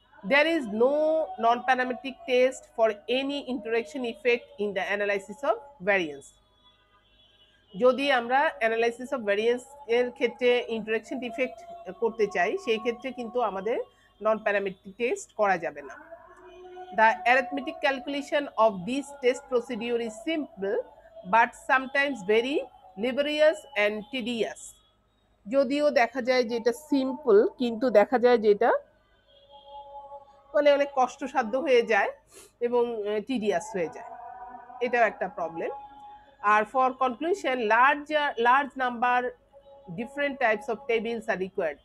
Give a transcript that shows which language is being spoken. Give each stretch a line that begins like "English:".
English: There is no non parametric test for any interaction effect in the analysis of variance.
Bangla: যদি আমরা analysis of variance এর ক্ষেত্রে interaction effect করতে চাই, সেই ক্ষেত্রে কিন্তু আমাদের নন প্যারামেট্রিক টেস্ট করা যাবে না।
English: The arithmetic calculation of this test procedure is simple but sometimes very laborious and tedious.
Bangla: যদিও দেখা যায় যে এটা সিম্পল, কিন্তু দেখা যায় যে এটা মানে অনেক কষ্টসাধ্য হয়ে যায় এবং টিডিয়াস হয়ে যায়, এটাও একটা problem.
English: আর for conclusion, large number different types of tables are required.